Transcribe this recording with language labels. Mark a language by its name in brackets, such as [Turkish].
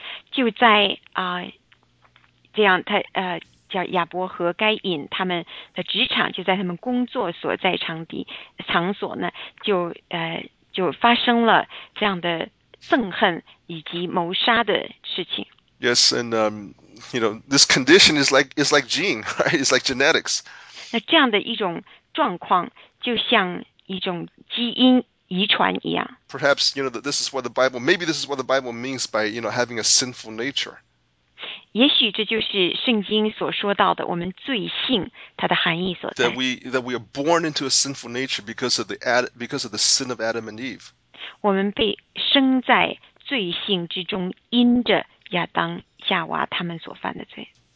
[Chinese] 就在这样他叫亚伯和该隐，他们的职场就在他们工作所在场所呢，就发生了这样的憎恨以及谋杀的事情。 [English] Yes, this condition is like gene, right? It's like genetics. [Chinese] 那这样的一种状况，就像一种基因遗传一样。 [English] Perhaps, this is what the Bible, maybe this is what the Bible means by, having a sinful nature. [Chinese] 也许这就是圣经所说到的我们罪性它的含义所在。 [English] That we are born into a sinful nature because of the sin of Adam and Eve. [Chinese] 我们被生在罪性之中，因着亚当夏娃他们所犯的罪。